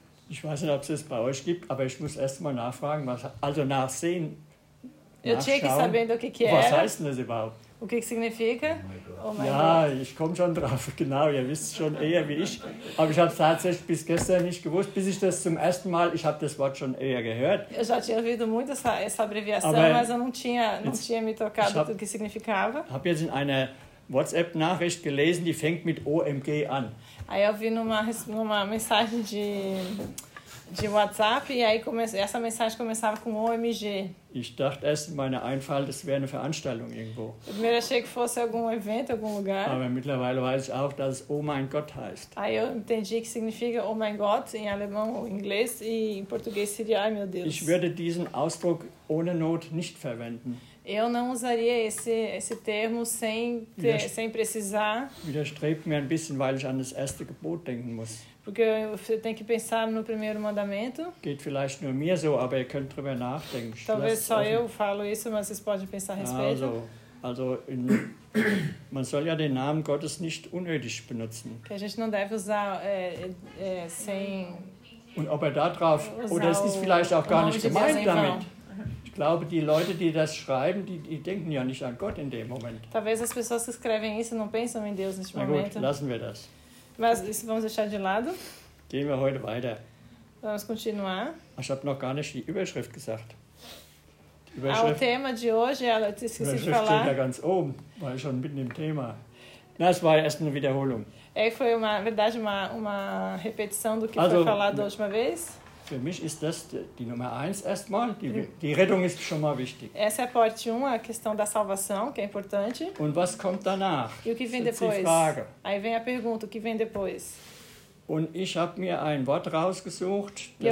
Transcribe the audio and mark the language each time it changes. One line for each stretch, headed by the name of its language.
German: Ich weiß nicht, ob es das bei euch gibt, aber ich muss erst mal nachfragen, was, also nachsehen, nachschauen, was heißt denn das überhaupt?
Portuguese: O que significa?
German: Oh ja, God. Ich komme schon drauf, genau, ihr wisst schon eher wie ich, aber ich habe es tatsächlich bis gestern nicht gewusst, bis ich das zum ersten Mal, ich habe das Wort schon eher gehört.
Portuguese: Eu já tinha ouvido muito essa abreviação,
German: aber
Portuguese: mas eu não tinha me tocado, o que significava.
German: Ich habe jetzt in einer WhatsApp-Nachricht gelesen, die fängt mit OMG an.
Portuguese: Aí eu vi numa mensagem de WhatsApp e aí essa mensagem começava com OMG.
German: Ich dachte erst in meiner Einfalt, es wäre eine Veranstaltung irgendwo.
Portuguese: Primeiro achei que fosse algum evento, algum lugar.
German: Aber mittlerweile weiß ich auch, dass es Oh mein Gott heißt.
Portuguese: Aí eu entendi que significa
German: Oh mein Gott
Portuguese: em alemão ou inglês e em português seria Ai meu Deus.
German: Ich würde diesen Ausdruck ohne Not nicht verwenden.
Portuguese: Eu não usaria esse termo sem precisar.
German: Widerstrebt mir ein bisschen, weil ich an das erste Gebot denken muss.
Portuguese: Porque eu tenho que pensar no primeiro mandamento.
German: Geht vielleicht nur mir so, aber ihr könnt drüber nachdenken.
Portuguese: Talvez só eu falo isso, mas vocês podem pensar a respeito.
German: Man soll ja den Namen Gottes nicht unnötig benutzen.
Portuguese: Que a gente não deve usar sem...
German: Und ob er da drauf... Oder es ist vielleicht auch gar nicht gemeint damit. Ich glaube, die Leute, die das schreiben, die denken ja nicht an Gott in dem Moment.
Portuguese: Talvez as pessoas que escrevem isso não pensam em Deus neste momento.
German: Na gut, lassen wir das.
Portuguese: Mas isso vamos deixar de lado.
German: Gehen wir heute weiter.
Portuguese: Vamos continuar.
German: Ich habe noch gar nicht die Überschrift gesagt.
Portuguese: O tema de hoje, ela disse que se falar.
German: Überschrift steht ja ganz oben, war schon mitten im Thema. Das war erst eine Wiederholung.
Portuguese: Foi uma, na verdade, uma repetição do que foi falado a última vez.
German: Für mich ist das die Nummer 1 erstmal. Die Rettung ist schon mal wichtig.
Portuguese: Essa é a parte 1, a questão da salvação, que é importante.
German: Und was kommt danach?
Portuguese: E o que vem depois? Aí vem a pergunta, o que vem depois?
German: Und ich habe mir ein Wort rausgesucht,